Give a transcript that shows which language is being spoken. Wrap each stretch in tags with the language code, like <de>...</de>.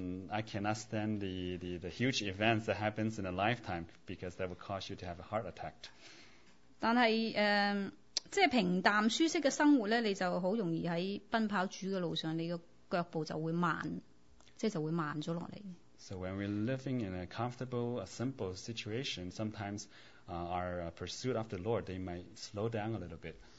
<en>I cannot stand the huge events that happens in a lifetime because that would cause you to have a heart attack.</en> <yue>但系即系平淡舒适嘅生活咧，你就好容易喺奔跑主嘅路上，你个脚步就会慢，就会慢咗落嚟。</yue> <en>So when we're living in a comfortable, a simple situation, sometimes our pursuit of the Lord, they might slow down a little bit.</en>